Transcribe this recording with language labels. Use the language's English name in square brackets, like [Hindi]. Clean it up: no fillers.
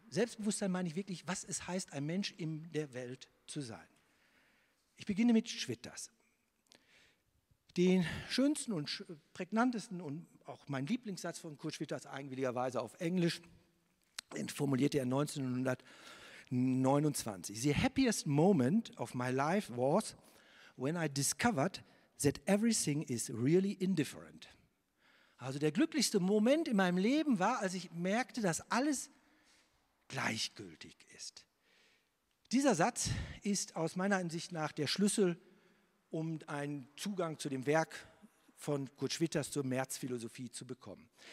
[German] Selbstbewusstsein meine ich wirklich, was es heißt, ein Mensch in der Welt zu sein. Ich beginne mit Schwitters. den schönsten und prägnantesten und auch mein Lieblingssatz von Kurt Schwitters eigenwilligerweise auf Englisch, den formulierte er 1929. [English] The happiest moment of my life was when I discovered that everything is really indifferent. [German] Also der glücklichste Moment in meinem Leben war, als ich merkte, dass alles gleichgültig ist. Dieser Satz ist aus meiner Ansicht nach der Schlüssel, um einen Zugang zu dem Werk von Kurt Schwitters zur Märzphilosophie zu bekommen.